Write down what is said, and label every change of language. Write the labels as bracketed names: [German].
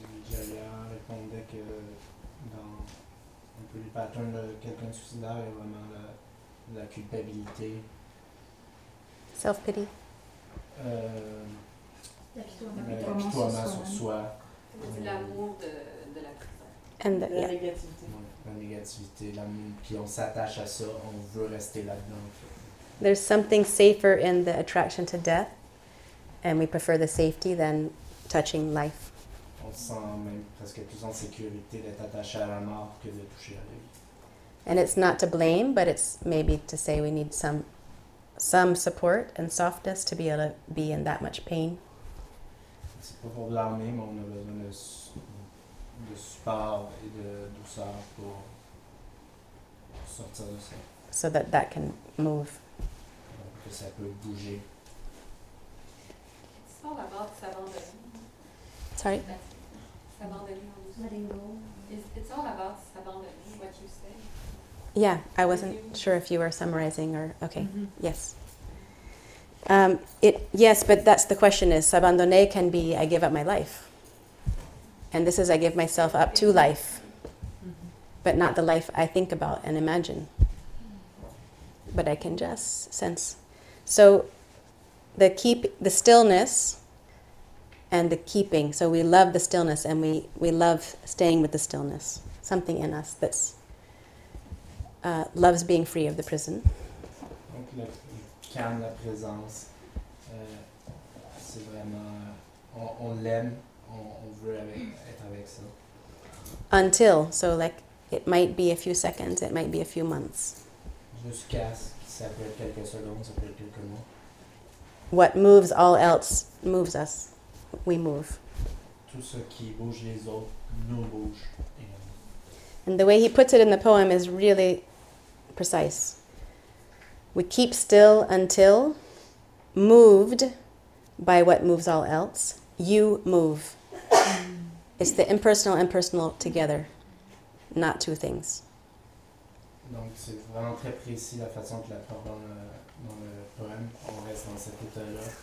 [French] Jaya répondait que dans un peu les patterns de quelqu'un de suicidaire, il y a vraiment la culpabilité. [English] Self-pity. [French] L'apitoiement sur soi. L'amour de la prison. And la négativité. Ouais, la négativité, l'amour. Puis on s'attache à ça, on veut rester là-dedans. En fait. [English] There's something safer in the attraction to death, and we prefer the safety than touching life. [French] On sent même presque plus en sécurité d'être attaché à la mort que de toucher à la vie. [English] And it's not to blame, but it's maybe to say we need some support and softness to be able to be in that much pain. [French] C'est pas pour blâmer, mais on a besoin de support et de douceur pour sortir de ça. [English] So that can move. [French] Que ça peut bouger. [English] It's all about s'abandonner. Sorry? S'abandonner. It's all about s'abandonner, what you say. Yeah, I wasn't sure if you were summarizing or okay. Mm-hmm. Yes. Yes, but that's the question: is s'abandonner can be I give up my life, and this is I give myself up to life, but not the life I think about and imagine. But I can just sense. So, the stillness, and the keeping. So we love the stillness, and we love staying with the stillness. Something in us that's. Loves being free of the prison. [French] Donc le calme, la présence, c'est vraiment on l'aime, on veut être avec ça. [English] Until, so like it might be a few seconds, it might be a few months. [French] Jusqu'à ce que ça peut être quelques secondes, ça peut être quelques mois. [English] What moves all else moves us. We move. [French] Tout ce qui bouge les autres nous bouge. [English] And the way he puts it in the poem is really precise. We keep still until, moved by what moves all else, you move. It's the impersonal and personal together, not two things. [French] Donc c'est vraiment très précis la façon que la parole dans le poème, on reste dans cet état-là.